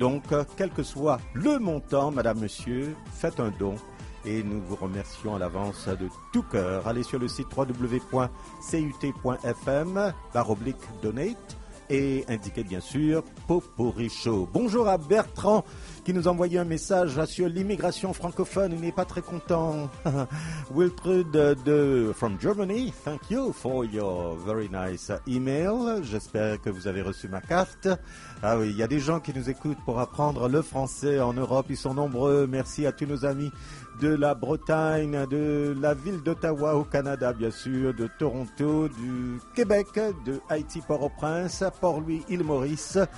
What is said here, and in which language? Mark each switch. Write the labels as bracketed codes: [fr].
[fr] Donc quel que soit le montant, madame, monsieur, faites un don et nous vous remercions à l'avance de tout cœur. Allez sur le site www.cut.fm/donate. Et indiquer bien sûr Potpourri Show. Bonjour à Bertrand qui nous envoyait un message sur l'immigration francophone. Il n'est pas très content. [en] Wiltrud de From Germany, thank you for your very nice email. [fr] J'espère que vous avez reçu ma carte. Ah oui, il y a des gens qui nous écoutent pour apprendre le français en Europe. Ils sont nombreux. Merci à tous nos amis de la Bretagne, de la ville d'Ottawa au Canada, bien sûr, de Toronto, du Québec, de Haïti, Port-au-Prince, Port-Louis, Île-Maurice.